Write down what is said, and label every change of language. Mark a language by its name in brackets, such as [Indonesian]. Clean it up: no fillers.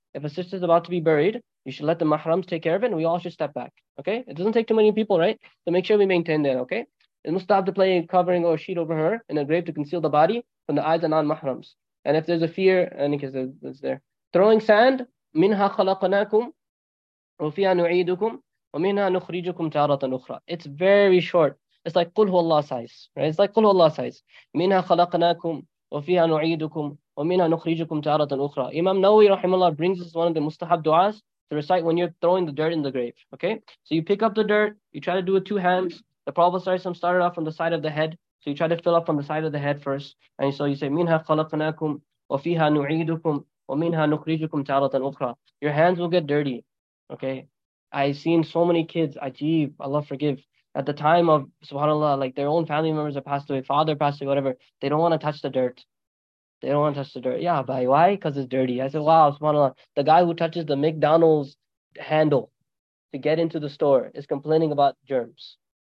[English] If a sister is about to be buried, you should let the mahrams take care of it and we all should step back, okay? It doesn't take too many people, right? So make sure we maintain that, okay? It must stop the play covering or sheet over her in a grave to conceal the body from the eyes of non-mahrams. And if there's a fear, any case, it's there. Throwing sand, [Arabic] minha khalaqnakum, وفيها نعيدكم ومنها نخرجكم تارة أخرى. [English] It's very short. It's like [Arabic] قل هو الله سايز. [English] Right? It's like [Arabic] قل هو الله سايز. منها خلقناكم وفيها نعيدكم ومنها نخرجكم تارة أخرى. [English] Imam Nawawi [Arabic] رحمه الله [English] brings this one of the mustahab du'as to recite when you're throwing the dirt in the grave. Okay? So you pick up the dirt, you try to do it two hands. The Prophet ﷺ started off from the side of the head. So you try to fill up from the side of the head first. And so you say, [Arabic] منها خلقناكم وفيها نعيدكم ومنها نخرجكم تارة أخرى. [English] Your hands will get dirty. Okay? I've seen so many kids, ajeeb, Allah forgive, at the time of, subhanAllah, like their own family members have passed away, father passed away, whatever, they don't want to touch the dirt. They don't want to touch the dirt. Yeah, but why? Because it's dirty. I said, wow, subhanAllah, the guy who touches the McDonald's handle to get into the store is complaining about germs.